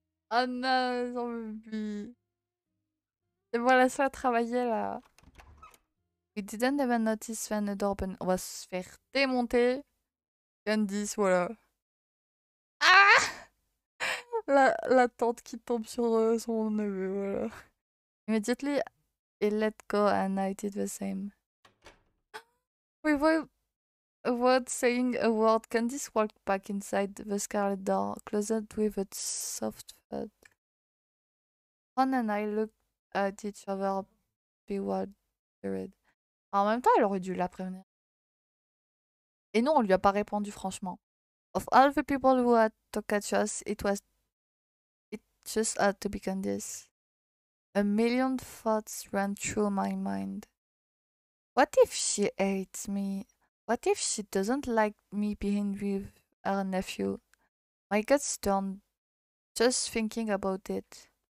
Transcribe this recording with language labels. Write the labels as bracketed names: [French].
[French] Oh non, j'en veux plus. Et voilà, ça a travaillé là. [English] We didn't even notice when the door opened. [French] On va se faire démonter. Candice, voilà. La tante qui tombe sur son neveu, voilà. [English] Immediately, he let go and I did the same. Without saying a word, Candice walked back inside the scarlet door, closed with a soft thud. Ron and I looked at each other, bewildered. [French] En même temps, elle aurait dû la prévenir. Et nous, on lui a pas répondu franchement. [English] Of all the people who had to catch us, it just had to be Candice. A million thoughts ran through my mind. What if she hates me? What if she doesn't like me being with her nephew? My guts turned just thinking about it.